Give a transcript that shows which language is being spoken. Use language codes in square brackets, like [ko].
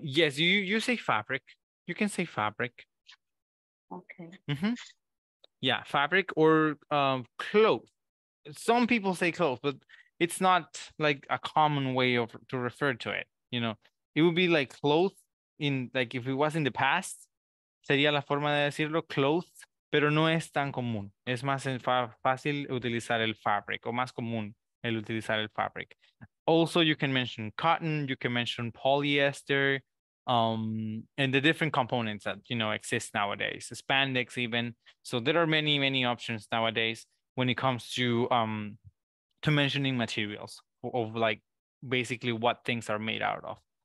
[en] Yes, you say fabric. You can say fabric. Okay. Mm-hmm. Yeah, fabric or cloth. Some people say cloth, but it's not like a common way of to refer to it. You know, it would be like cloth in like if it was in the past. [es] Sería la forma de decirlo, cloth, pero no es tan común. Es más fácil utilizar el fabric o más común el utilizar el fabric. [en] Also, you can mention cotton, you can mention polyester, and the different components that, you know, exist nowadays, spandex even. So there are many, many options nowadays when it comes to mentioning materials of like basically what things are made out of.